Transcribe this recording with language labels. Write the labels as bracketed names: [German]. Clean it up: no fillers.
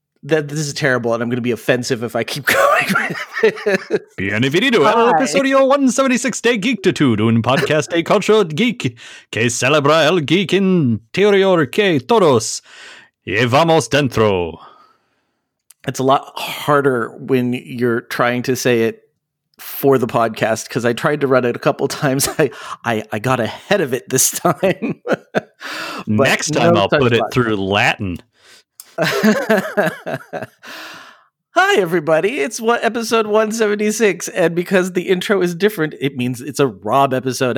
[English] This is terrible, and I'm going to be offensive if I keep going. [Spanish] Bienvenido al episodio 176 de Geektitude, un podcast de cultura geek que celebra el geek interior que todos llevamos dentro. [English] It's a lot harder when you're trying to say it for the podcast, because I tried to run it a couple times. I got ahead of it this time. Next time I'll put it through Latin. Hi everybody, it's episode 176, and because the intro is different, it means it's a Rob episode.